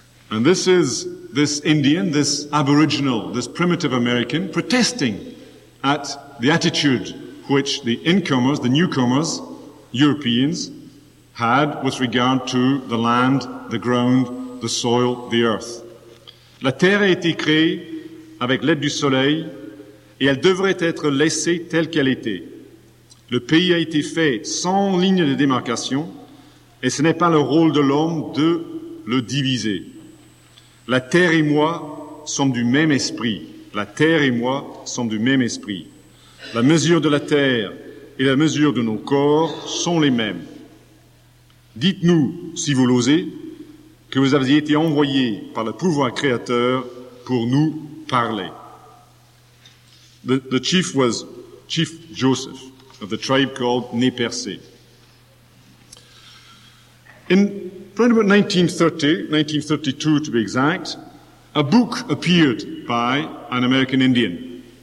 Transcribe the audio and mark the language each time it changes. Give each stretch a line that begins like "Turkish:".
English: And this is this Indian, this aboriginal, this primitive American, protesting at the attitude which the incomers, the newcomers, Europeans, had with regard to the land, the ground, the soil, the earth.
French: La terre a été créée avec l'aide du soleil et elle devrait être laissée telle qu'elle était. Le pays a été fait sans ligne de démarcation et ce n'est pas le rôle de l'homme de le diviser. La terre et moi sommes du même esprit. La terre et moi sommes du même esprit. La mesure de la terre et la mesure de nos corps sont les mêmes. Dites-nous, si vous l'osez, que vous aviez été envoyé par le pouvoir créateur pour nous parler.
English: The chief was Chief Joseph of the tribe called Nepersé. In around about 1932 to be exact, a book appeared by an American Indian.